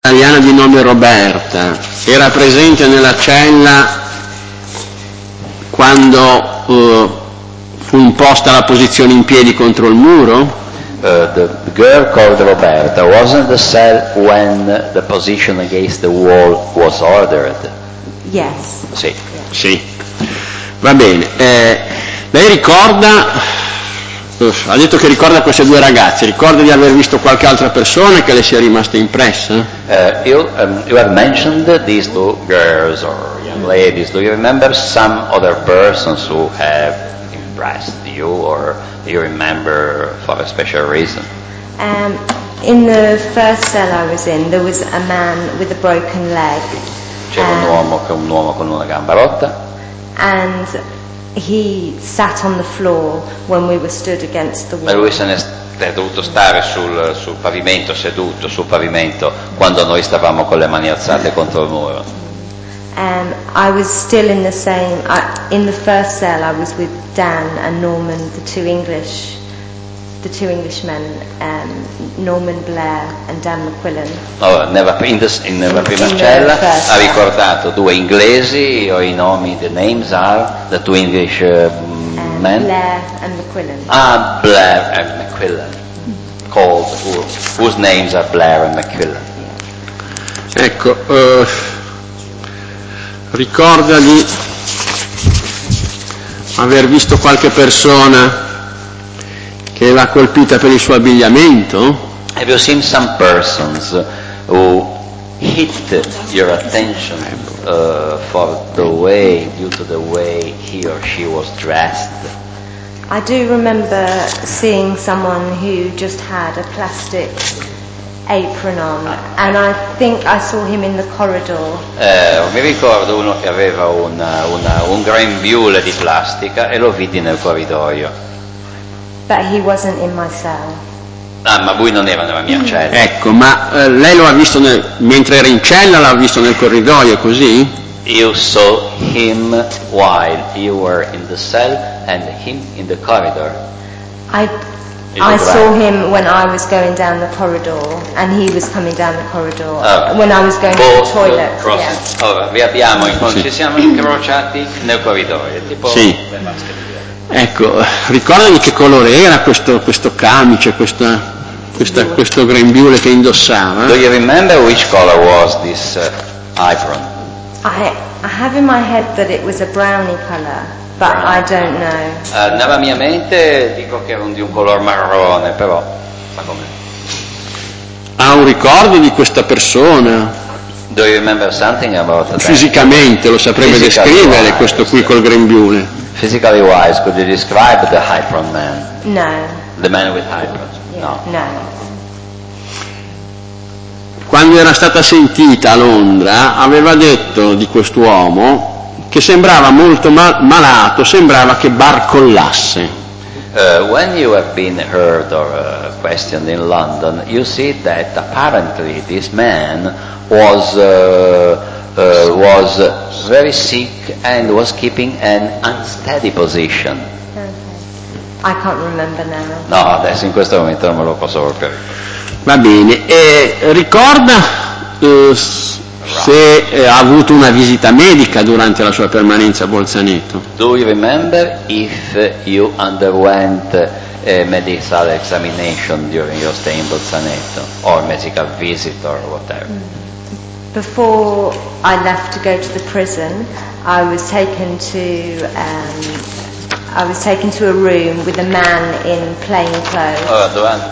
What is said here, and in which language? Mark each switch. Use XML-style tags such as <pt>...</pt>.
<it>italiana di nome Roberta era presente nella cella quando fu imposta la posizione in piedi contro il muro?</it> <en>The girl called Roberta was in the cell when the position against the wall was ordered. Yes.</en> <it>Sì. Sì. Va bene. Lei ricorda, ha detto che ricorda queste due ragazze, ricorda di aver visto qualche altra persona che le sia rimasta impressa?</it> <en>You have mentioned these two girls or young ladies. Do you remember some other persons who have impressed you, or do you remember for a special reason? In the first cell I was in, there was a man with a broken leg.</en> <it>C'era un uomo con una gamba rotta.</it> <en>And he sat on the floor when we were stood against the wall.</en> <it>Ma lui se ne è dovuto stare sul pavimento, seduto sul pavimento, quando noi stavamo con le mani alzate contro il muro.</it> <en>I was still in the same. In the first cell, I was with Dan and Norman, the two Englishmen, Norman Blair and Dan McQuillan.</en> <it>Nella prima cella, ha ricordato due inglesi.</it> <en>The two English men. Blair and McQuillan. Blair and McQuillan. Called whose names are Blair and McQuillan. Yeah. Ecco.</en> <it>Ricorda di aver visto qualche persona che l'ha colpita per il suo abbigliamento?</it> <en>Have you seen some persons who hit your attention for the way, due to the way he or she was dressed? I do remember seeing someone who just had a plastic apron on, and I think I saw him in the corridor.</en> <it>Mi ricordo uno che aveva un grembiule di plastica e lo vidi nel corridoio.</it> <en>But he wasn't in my cell.</en> <it>Ma lui non era nella mia cella. Ecco, ma lei lo ha visto mentre era in cella, l'ha visto nel corridoio, così?</it> <en>You saw him while you were in the cell and him in the corridor. I saw him when I was going down the corridor and he was coming down the corridor when I was going to the toilet. Yeah.</en> <it>Allora, ci siamo incrociati nel corridoio, tipo sì. Le maschere. Ecco, ricorda di che colore era questo camice, questo grembiule che indossava?</it> <en>Do you remember which color was this apron? I have in my head that it was a brownie color. But I don't know.</en> <it>Nella mia mente dico che era di un color marrone, però ma come? Ha un ricordo di questa persona?</it> <en>Do you remember something about that?</en> <it>Fisicamente lo saprebbe descrivere</it> <en>wise,</en> <it>questo qui col grembiule?</it> <en>Physically wise, could you describe the hypron man? No. The man with hypron? Yeah. No.</en> <it>Quando era stata sentita a Londra, aveva detto di quest'uomo che sembrava molto malato, sembrava che barcollasse.</it> <en>When you have been heard or questioned in London, you see that apparently this man was very sick and was keeping an unsteady position. Okay. I can't remember now.</en> <it>No, adesso in questo momento non me lo posso proprio. Va bene, ricorda se ha avuto una visita medica durante la sua permanenza a Bolzaneto.</it> <en>Do you remember if you underwent a medical examination during your stay in Bolzaneto, or a medical visit or whatever? Before I left to go to the prison, I was taken to a room with a man in plain clothes.</en>